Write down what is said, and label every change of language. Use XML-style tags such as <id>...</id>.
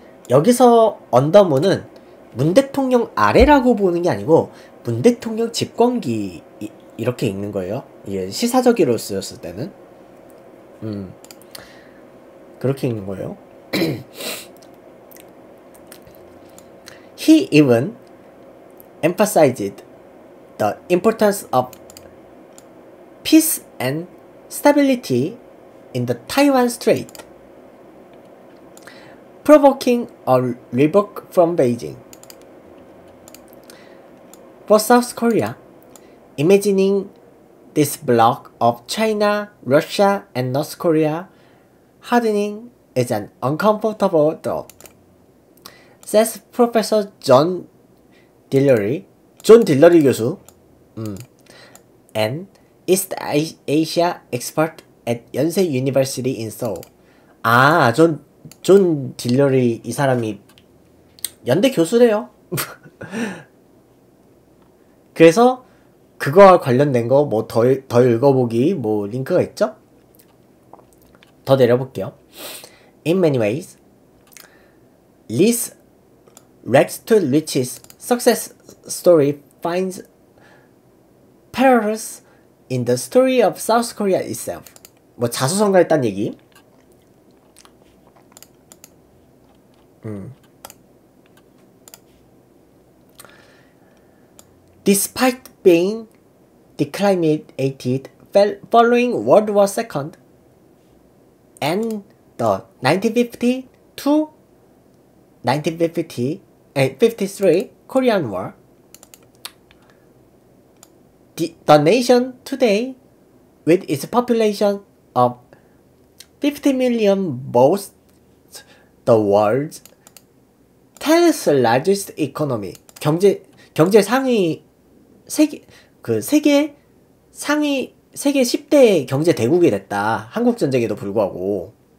<ko>여기서 언더문은 문 대통령 아래라고 보는 게 아니고 문 대통령 집권기 이렇게 읽는 거예요. 이게 시사적으로 쓰였을 때는 그렇게 읽는 거예요.</ko> <en>He even emphasized the importance of peace and stability in the Taiwan Strait, provoking a rebuke from Beijing. For South Korea, imagining this bloc of China, Russia, and North Korea hardening is an uncomfortable thought, says Professor John Dillery</en> <ko>교수,</ko> <en>an East Asia expert at Yonsei University in Seoul.</en> <ko>아, 존 딜러리 이 사람이 연대 교수래요. 그래서 그거와 관련된 거뭐더더 읽어보기 뭐 링크가 있죠? 더 내려볼게요.</ko> <en>In many ways, this rags to riches success story finds parallels in the story of South Korea itself.</en> <ko>뭐 자수성가했단 얘기.</ko> <en>Despite being declined following World War II and the 1950 to 1950 53 Korean War, the nation today with its population of 50 million boasts the world's 10th largest economy.</en> <ko>경제 상위 세계 10대 경제 대국이 됐다. 한국 전쟁에도 불구하고.</ko>